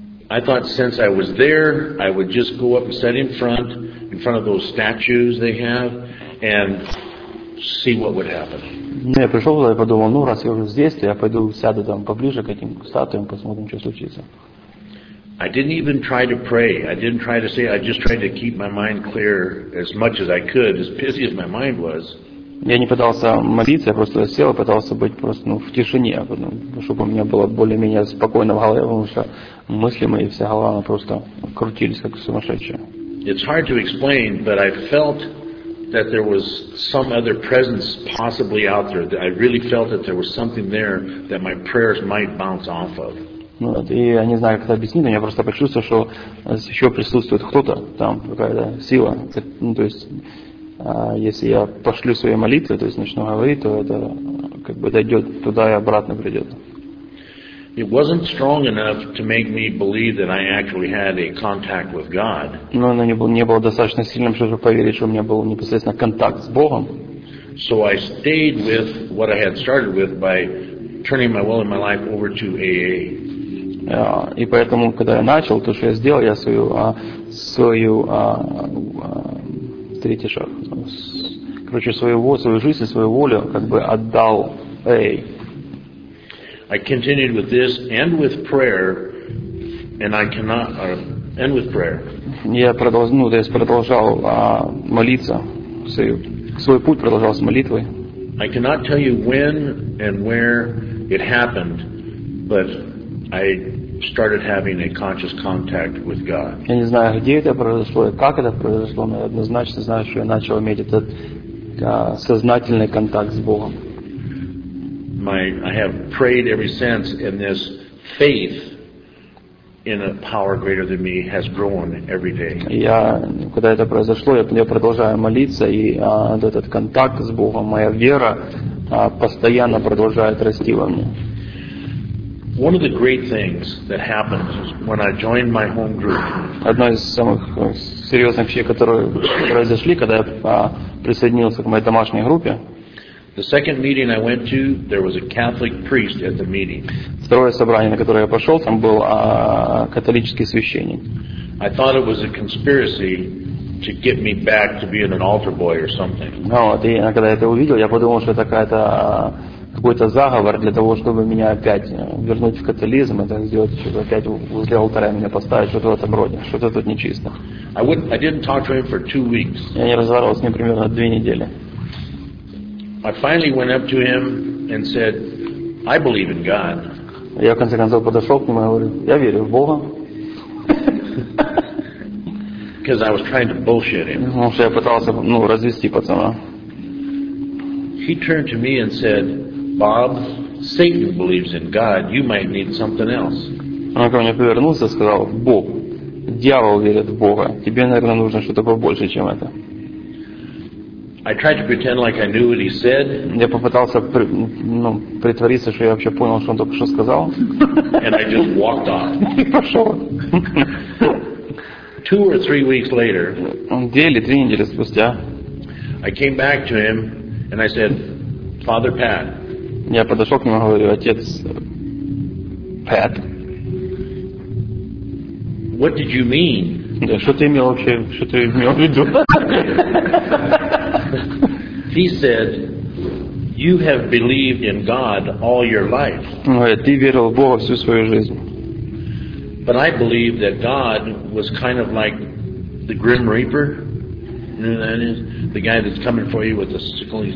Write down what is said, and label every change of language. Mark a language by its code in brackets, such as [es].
[en] I thought since I was there, I would just go up and sit in front of those statues they have and see what would happen. [ru] Ну, я пришел туда и подумал, ну, раз я уже здесь, то я пойду сяду там поближе к этим статуям, посмотрим, что случится. [en] I didn't even try to pray. I didn't try to say, I just tried to keep my mind clear as much as I could, as busy as my mind was. [ru] Я не пытался молиться, я просто сел и пытался быть просто в тишине, чтобы у меня было более-менее спокойно в голове, потому что мысли мои, вся голова, она просто крутились, как сумасшедшие. [en] It's hard to explain, but I felt that there was some other presence possibly out there. That I really felt that there was something there that my prayers might bounce off of. [ru] И я не знаю, как это объяснить, но я просто почувствовал, что еще присутствует кто-то там, какая-то сила. То есть, если я пошлю свои молитвы, то есть начну говорить, то это как бы дойдет туда и обратно придет. [en] It wasn't strong enough to make me believe that I actually had a contact with God. [ru] Но оно не было достаточно сильным, чтобы поверить, что у меня был непосредственно контакт с Богом. [en] So I stayed with what I had started with by turning my will and my life over to AA. [ru] И поэтому, когда я начал, то, что я сделал, я свою жизнь и свою волю как бы отдал AA. [en] I continued with this and with prayer, and I cannot and with prayer. [ru] Я продолжал молиться. Свой путь продолжал с молитвой. [en] I cannot tell you when and where it happened, but I started having a conscious contact with God. [ru] Я не знаю, где это произошло и как это произошло, но однозначно знаю, что я начал иметь этот сознательный контакт с Богом. [en] I have prayed ever since, and this faith in a power greater than me has grown every day. [ru] Я, когда это произошло, я продолжаю молиться, и этот контакт с Богом, моя вера постоянно продолжает расти во мне. [en] One of the great things that happened when I joined my home group. [ru] Одна из самых серьезных вещей, которые произошли, когда я присоединился к моей домашней группе. [en] The second meeting I went to, there was a Catholic priest at the meeting. [ru] Второе собрание, на которое я пошел, там был католический священник. [en] I thought it was a conspiracy to get me back to being an altar boy or something. [ru] Когда я это увидел, я подумал, что это какой-то заговор для того, чтобы меня опять вернуть в католицизм, это сделать, чтобы опять возле алтаря меня поставить, что-то в этом роде, что-то тут нечисто. [en] I didn't talk to him for 2 weeks. [ru] Я не разговаривал с ним примерно 2 недели. [en] I finally went up to him and said, "I believe in God." [ru] Я в конце концов подошел к нему и говорю, я верю в Бога. [en] Because I was trying to bullshit him. [ru] Потому что я пытался развести пацана. [en] He turned to me and said, "Bob, Satan believes in God. You might need something else." [ru] Он ко мне повернулся и сказал, Боб, дьявол верит в Бога. Тебе, наверное, нужно что-то побольше, чем это. [en] I tried to pretend like I knew what he said. [ru] Я попытался притвориться, что я вообще понял, что он только что сказал. [en] And I just walked off. [ru] И пошел. [en] 2 or 3 weeks later. [ru] Три недели спустя. [en] I came back to him and I said, "Father Pat." [ru] Я подошел к нему и говорю, отец Пэт. [en] What did you mean? [ru] Да, что ты имел вообще, что ты имел в виду? [en] He said, "You have believed in God all your life." [ru] Ты верил в Бога всю свою жизнь. [en] But I believe that God was kind of like the Grim Reaper. You know that is the guy that's coming for you with a sickle.